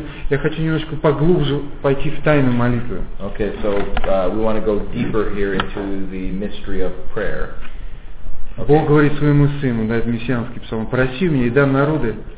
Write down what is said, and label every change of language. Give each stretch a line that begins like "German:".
Russian: Я хочу немножко поглубже пойти в тайну молитвы.
English: Okay, so we want to go deeper here into the mystery of prayer. Okay.
Russian: Бог говорит своему сыну, да, это мессианский псалом, проси мне и дам народы.